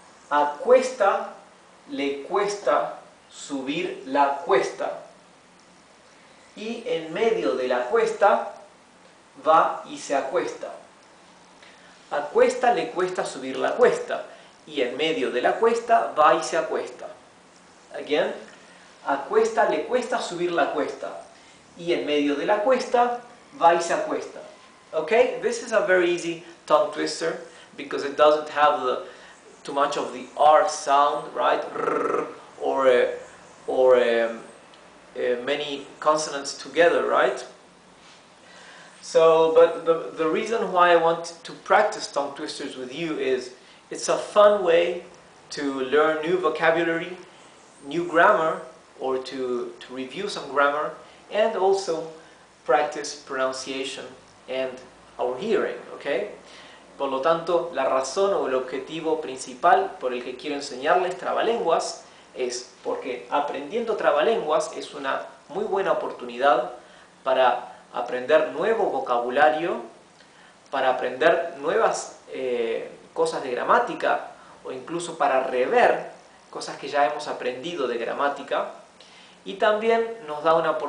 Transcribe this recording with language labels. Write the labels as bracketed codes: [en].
[es] A cuesta le cuesta subir la cuesta, y en medio de la cuesta va y se acuesta. A cuesta le cuesta subir la cuesta, y en medio de la cuesta va y se acuesta. [en] Again, [es] a cuesta le cuesta subir la cuesta, y en medio de la cuesta va y se acuesta. [en] Okay, this is a very easy tongue twister because it doesn't have the too much of the R sound, right? R or many consonants together, right? So, but the reason why I want to practice tongue twisters with you is it's a fun way to learn new vocabulary, new grammar, or to review some grammar, and also practice pronunciation and our hearing, okay? [es] Por lo tanto, la razón o el objetivo principal por el que quiero enseñarles trabalenguas es porque aprendiendo trabalenguas es una muy buena oportunidad para aprender nuevo vocabulario, para aprender nuevas cosas de gramática, o incluso para rever cosas que ya hemos aprendido de gramática, y también nos da una oportunidad